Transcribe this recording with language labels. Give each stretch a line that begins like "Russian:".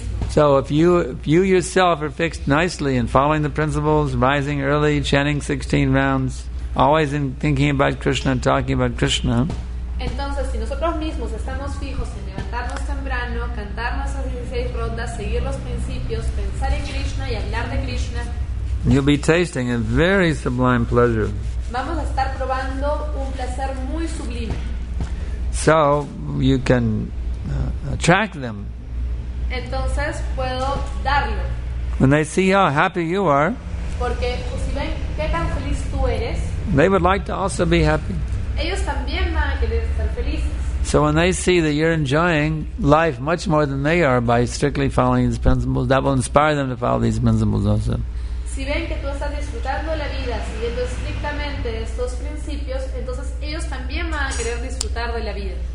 English: So if you yourself are fixed nicely in following the principles, rising early, chanting 16 rounds, always in thinking about Krishna, talking about Krishna.
Spanish: Entonces, si nosotros mismos estamos fijos en levantarnos temprano, cantar nuestras 16 rondas, seguir los principios, pensar en Krishna y hablar de Krishna,
English: you'll be tasting a very sublime pleasure.
Spanish: Vamos a estar probando un placer muy sublime.
English: So you can attract them.
Spanish: Entonces, puedo darlo.
English: When they see how happy you are,
Spanish: porque, pues, si ven qué tan feliz tú eres,
English: they would like to also be happy.
Spanish: Ellos también van a querer estar felices.
English: So when they see that you're enjoying life much more than they are by strictly following these principles, that will inspire them to follow these principles also.
Spanish: Si ven que tú estás disfrutando la vida siguiendo estrictamente estos principios, entonces ellos también van a querer disfrutar de la vida.